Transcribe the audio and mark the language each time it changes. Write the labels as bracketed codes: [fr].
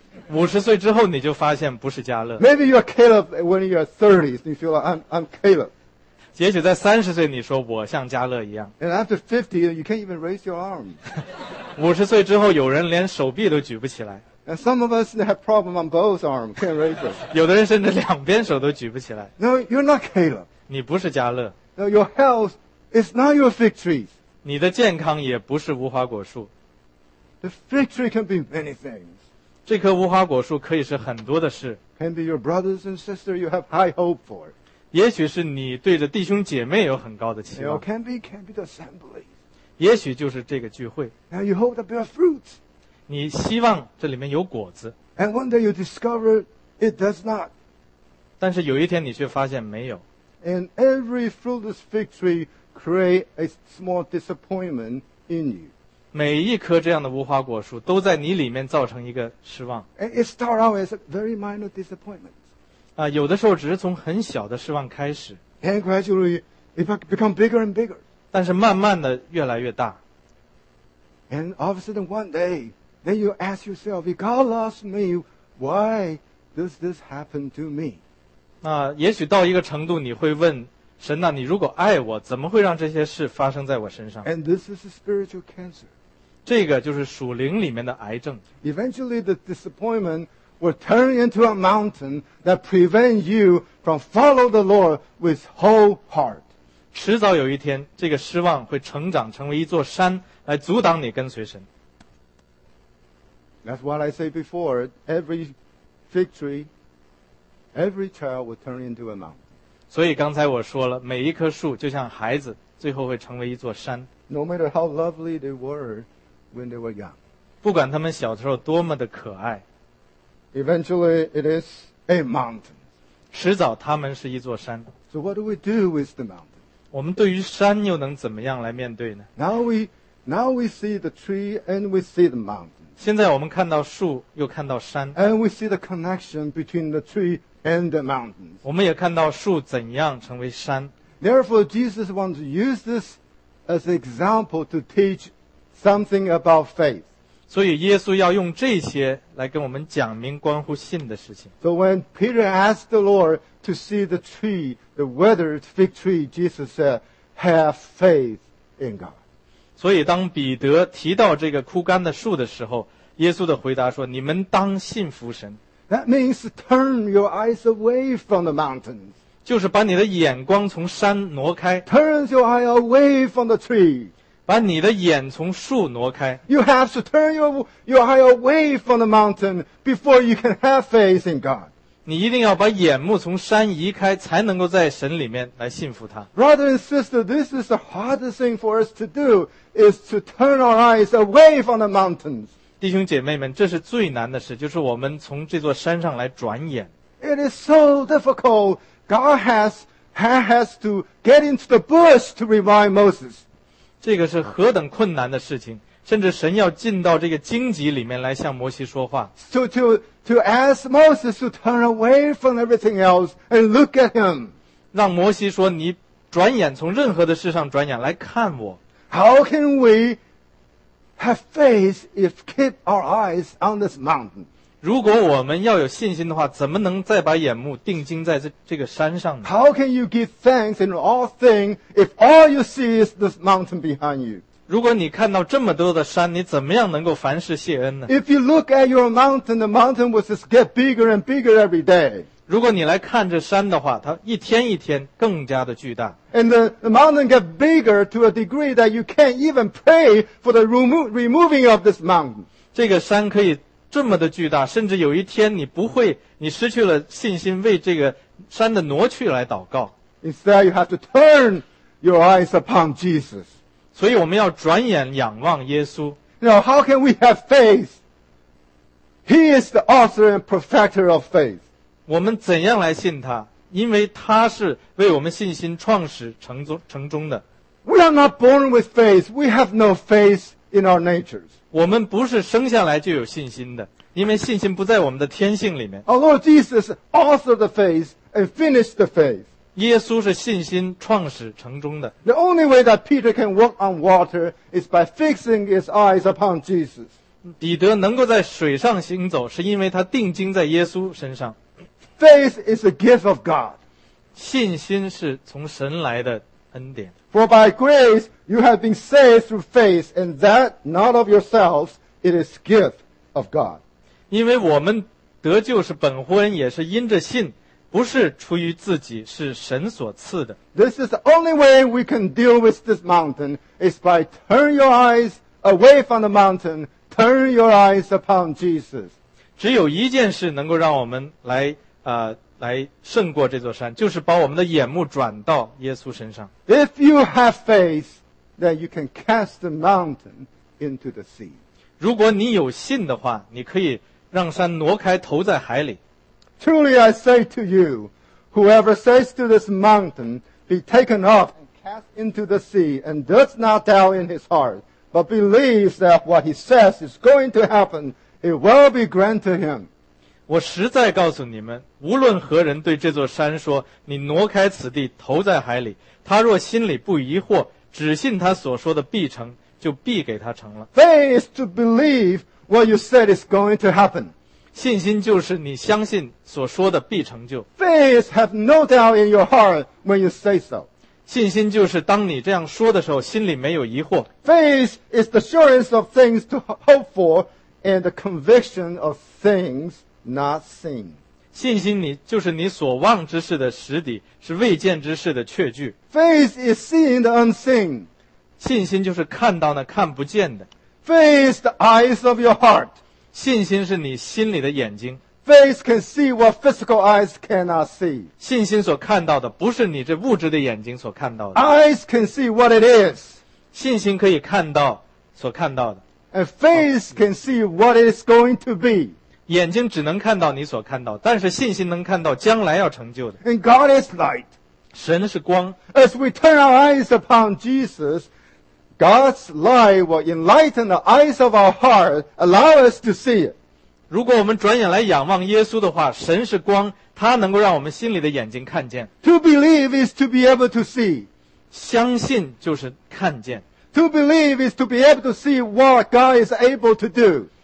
[zh] 五十岁之后你就发现不是加勒。 [en] Maybe you're Caleb when you're 30s, you feel like I'm Caleb. [zh] 也许在三十岁你说我像加勒一样。 [en] And after 50, you can't even raise your arm. [zh] 五十岁之后有人连手臂都举不起来。 [en] And some of us have problem on both arms, can't raise it. [zh] 有的人甚至两边手都举不起来。 [en] No, you're not Caleb. [zh] 你不是加勒。 [en] No, your health is not your fig trees. [zh] 你的健康也不是无花果树。 [en] The fig tree can be many things. [zh] 这棵无花果树可以是很多的事。 [en] Can be your brothers and sisters you have high hope for. [zh] 也许是你对着弟兄姐妹有很高的期望。 [en] Or can be the assembly. [zh] 也许就是这个聚会。 [en] Now you hope to bear fruit. [zh] 你希望这里面有果子。 [en] And one day you discover it does not. [zh] 但是有一天你却发现没有。 [en] And every fruitless fig tree creates a small disappointment in you. [zh] 每一棵这样的无花果树都在你里面造成一个失望。 [en] And it starts out as a very minor disappointment. [zh] 啊，有的时候只是从很小的失望开始。 [en] And gradually it becomes bigger and bigger. [zh] 但是慢慢的越来越大。 [en] And all of a sudden one day,Then you ask yourself, if God loves me, why does this happen to me? [zh] 那也许到一个程度你会问神啊，你如果爱我，怎么会让这些事发生在我身上？ [en] And this is a spiritual cancer. [zh] 这个就是属灵里面的癌症。 [en] Eventually the disappointment will turn into a mountain that prevents you from following the Lord with whole heart. [zh] 迟早有一天，这个失望会成长成为一座山，来阻挡你跟随神。 [en] That's what I said before, every fig tree, every child will turn into a mountain. [zh] 所以刚才我说了，每一棵树就像孩子，最后会成为一座山。 [en] No matter how lovely they were when they were young. [zh] 不管他们小时候多么的可爱。 [en] Eventually, it is a mountain. [zh] 迟早他们是一座山。 [en] So what do we do with the mountain? [zh] 我们对于山又能怎么样来面对呢？ [en] Now we see the tree and we see the mountain. [zh] 现在我们看到树又看到山。 [en] And we see the connection between the tree and the mountains. [zh] 我们也看到树怎样成为山。 [en] Therefore, Jesus wants to use this as an example to teach something about faith. [zh] 所以耶稣要用这些来跟我们讲明关乎信的事情。 [en] So when Peter asked the Lord to see the tree, the withered fig tree, Jesus said, have faith in God. [zh] 所以当彼得提到这个枯干的树的时候，耶稣的回答说，你们当信服神。 [en] That means turn your eyes away from the mountains. [zh] 就是把你的眼光从山挪开。 [en] Turn your eye away from the tree. [zh] 把你的眼从树挪开。 [en] You have to turn your eye away from the mountain before you can have faith in God. [zh] 你一定要把眼目从山移开，才能够在神里面来信服他。 [en] Brother and sister, this is the hardest thing for us to do, is to turn our eyes away from the mountains. [zh] 弟兄姐妹们，这是最难的事，就是我们从这座山上来转眼。 [en] It is so difficult. God has to get into the bush to remind Moses. [zh] 这个是何等困难的事情，甚至神要进到这个荆棘里面来向摩西说话。 [en] To ask Moses to turn away from everything else and look at him. [zh] 让摩西说，你转眼从任何的事上转眼来看我。 [en] How can we have faith if keep our eyes on this mountain? [zh] 如果我们要有信心的话，怎么能再把眼目定睛在这个山上呢？ [en] How can you give thanks in all things if all you see is this mountain behind you? [zh] 如果你看到这么多的山，你怎么样能够凡事谢恩呢？ [en] If you look at your mountain, the mountain will just get bigger and bigger every day. [zh] 如果你来看这山的话，它一天一天更加的巨大。 [en] And the mountain get bigger to a degree that you can't even pray for the removing of this mountain. [zh] 这个山可以这么的巨大，甚至有一天你失去了信心为这个山的挪去来祷告。 [en] Instead, you have to turn your eyes upon Jesus. [zh] 所以我们要转眼仰望耶稣。 [en] Now, how can we have faith? He is the author and perfecter of faith. [zh] 我们怎样来信他？因为他是为我们信心创始成终的。 [en] We are not born with faith. We have no faith in our natures. [zh] 我们不是生下来就有信心的，因为信心不在我们的天性里面。 [en] Our Lord Jesus authored the faith and finished the faith. [zh] 耶稣是信心创始成终的。 [en] The only way that Peter can walk on water is by fixing his eyes upon Jesus. [zh] 彼得能够在水上行走，是因为他定睛在耶稣身上。 [en] Faith is a gift of God. [zh] 信心是从神来的恩典。 [en] For by grace you have been saved through faith, and that not of yourselves, it is gift of God. [zh] 因为我们得救是本乎恩，也是因着信，不是出于自己，是神所赐的。 [en] This is the only way we can deal with this mountain, is by turn your eyes away from the mountain, turn your eyes upon Jesus. [zh] 只有一件事能够让我们来胜过这座山，就是把我们的眼目转到耶稣身上。 [en] If you have faith, then you can cast the mountain into the sea. [zh] 如果你有信的话，你可以让山挪开，投在海里。 [en] Truly I say to you, whoever says to this mountain, be taken up and cast into the sea, and does not doubt in his heart, but believes that what he says is going to happen, it will be granted to him. [zh] 我实在告诉你们，无论何人对这座山说，你挪开此地，投在海里，他若心里不疑惑，只信他所说的必成，就必给他成了。 [en] Faith is to believe what you said is going to happen. [zh] 信心就是你相信所说的必成就。 [en] Faith have no doubt in your heart when you say so. [zh] 信心就是当你这样说的时候，心里没有疑惑。 [en] Faith is the assurance of things to hope for and the conviction of things. Not seen. [zh] 信心你就是你所望之事的实底，是未见之事的确据。 [en] Faith is seeing the unseen. [zh] 信心就是看到那看不见的。 [en] Faith is the eyes of your heart. [zh] 信心是你心里的眼睛。 [en] Faith can see what physical eyes cannot see. [zh] 信心所看到的不是你这物质的眼睛所看到的。 [en] Eyes can see what it is. [zh] 信心可以看到所看到的。 [en] And faith can see what it is going to be. [zh] 眼睛只能看到你所看到，但是信心能看到将来要成就的。 [en] And God is light. [zh] 神是光。 [en] As we turn our eyes upon Jesus, God's light will enlighten the eyes of our heart, allow us to see it. [zh] 如果我们转眼来仰望耶稣的话，神是光，他能够让我们心里的眼睛看见。 [en] To believe is to be able to see. [zh] 相信就是看见。 [en] To believe is to be able to see what God is able to do.